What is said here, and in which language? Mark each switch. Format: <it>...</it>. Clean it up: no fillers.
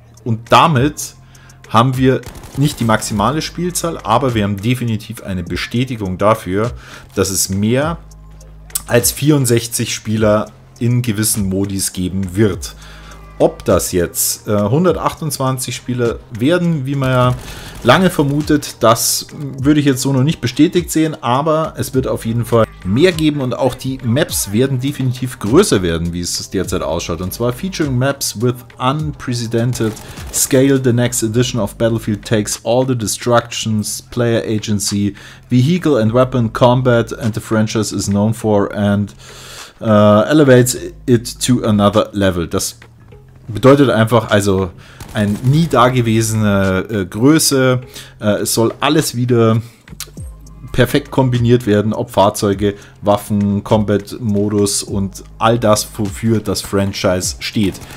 <de>Und damit haben wir nicht die maximale Spielzahl, aber wir haben definitiv eine Bestätigung dafür, dass es mehr als 64 Spieler in gewissen Modis geben wird. Ob das jetzt 128 Spieler werden, wie man ja lange vermutet, das würde ich jetzt so noch nicht bestätigt sehen, aber es wird auf jeden Fall mehr geben und auch die Maps werden definitiv größer werden, wie es derzeit ausschaut. Und zwar,</de> <en>featuring maps with unprecedented scale, the next edition of Battlefield takes all the destructions, player agency, vehicle and weapon combat and the franchise is known for and elevates it to another level.</en> <de>Das bedeutet einfach, also ein nie dagewesene Größe, es soll alles wieder perfekt kombiniert werden, ob Fahrzeuge, Waffen, Combat-Modus und all das, wofür das Franchise steht.</de>